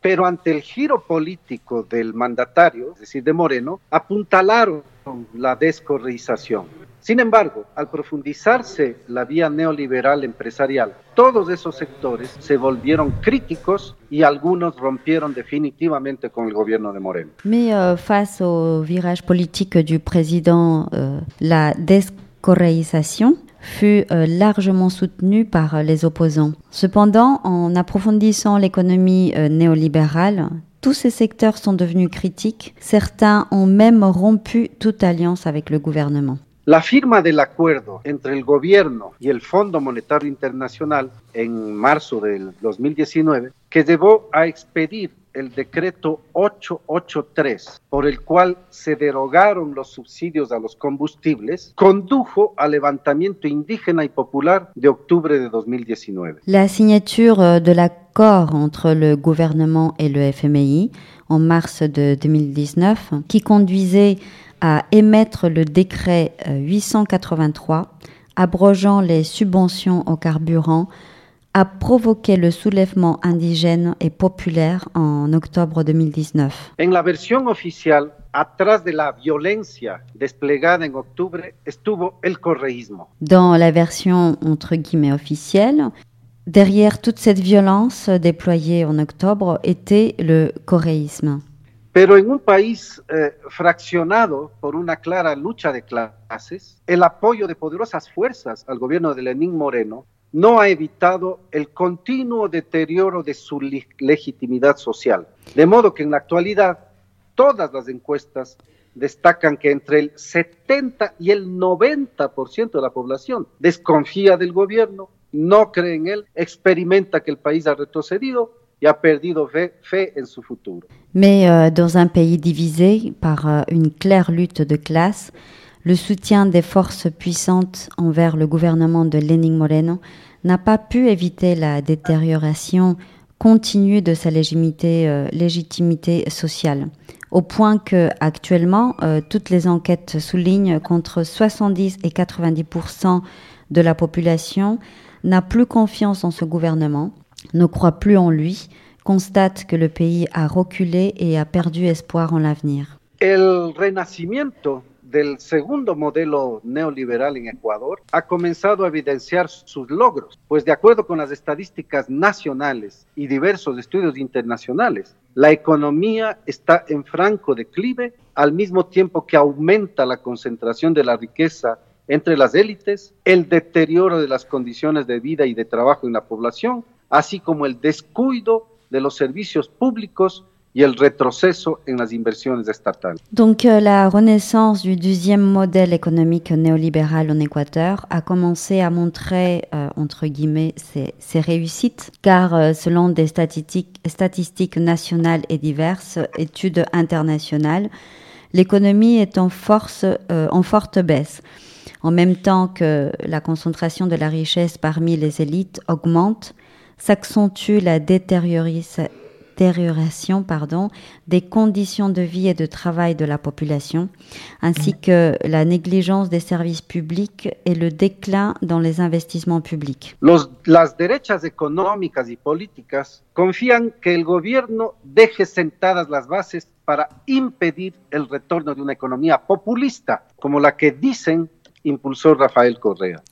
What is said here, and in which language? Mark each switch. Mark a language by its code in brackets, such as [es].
[es] Pero ante el giro político del mandatario, es decir, de Moreno, apuntalaron la descorreización. Sin embargo, al profundizarse la vía neoliberal empresarial, todos esos sectores se volvieron críticos y algunos rompieron definitivamente con el gobierno de Moreno. [fr] Mais face au virage politique du président, la descorreización fut largement soutenu par les opposants. Cependant, en approfondissant l'économie néolibérale, tous ces secteurs sont devenus critiques. Certains ont même rompu toute alliance avec le gouvernement. [es] La firma [fr] de l'accord entre le gouvernement et le Fonds monétaire international [es] en mars 2019, qui llevó à expedir el decreto 883, por el cual se derogaron los subsidios a los combustibles, condujo al levantamiento indígena y popular de octubre de 2019. [fr] La signature de l'accord entre le gouvernement et le FMI en mars de 2019, qui conduisait à émettre le décret 883, abrogeant les subventions au carburant, a provoqué le soulèvement indigène et populaire en octobre 2019. [es] En la versión oficial, atrás de la violencia desplegada en octubre, estuvo el correísmo. [fr] Dans la version entre guillemets officielle, derrière toute cette violence déployée en octobre était le correísmo. [es] Pero en un país fraccionado por una clara lucha de clases, el apoyo de poderosas fuerzas al gobierno de Lenín Moreno no ha evitado el continuo deterioro de su legitimidad social. De modo que en la actualidad, todas las encuestas destacan que entre el 70 y el 90% de la población desconfía del gobierno, no cree en él, experimenta que el país ha retrocedido y ha perdido fe en su futuro. [fr] Mais dans un pays divisé par une claire lutte de classe, le soutien des forces puissantes envers le gouvernement de Lenin Moreno n'a pas pu éviter la détérioration continue de sa légitimité sociale. Au point que actuellement, toutes les enquêtes soulignent qu'entre 70 et 90% de la population n'a plus confiance en ce gouvernement, ne croit plus en lui, constate que le pays a reculé et a perdu espoir en l'avenir. [es] El renacimiento del segundo modelo neoliberal en Ecuador ha comenzado a evidenciar sus logros, pues de acuerdo con las estadísticas nacionales y diversos estudios internacionales, la economía está en franco declive, al mismo tiempo que aumenta la concentración de la riqueza entre las élites, el deterioro de las condiciones de vida y de trabajo en la población, así como el descuido de los servicios públicos y el retroceso en las inversiones estatales. [fr] Donc la renaissance du deuxième modèle économique néolibéral en Équateur a commencé à montrer entre guillemets ses réussites, car selon des statistiques nationales et diverses études internationales, l'économie est en forte baisse. En même temps que la concentration de la richesse parmi les élites augmente, s'accentue la détériorisation détérioration, pardon, des conditions de vie et de travail de la population, ainsi que la négligence des services publics et le déclin dans les investissements publics. [es] Las derechas económicas y políticas confían que el gobierno deje sentadas las bases para impedir el retorno de una economía populista, como la que dicen impulsó Rafael Correa.